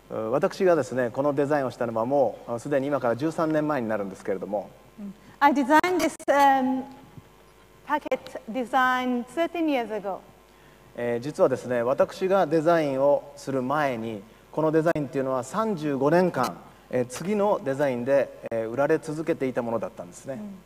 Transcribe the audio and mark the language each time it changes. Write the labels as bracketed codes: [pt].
[ja] 私がですね、このデザインをしたのはもうすでに今から13年前になるんですけれども。 [en] I designed this, packet design 13 years ago. [ja] 実はですね、私がデザインをする前に、このデザインっていうのは35年間、次のデザインで、売られ続けていたものだったんですね。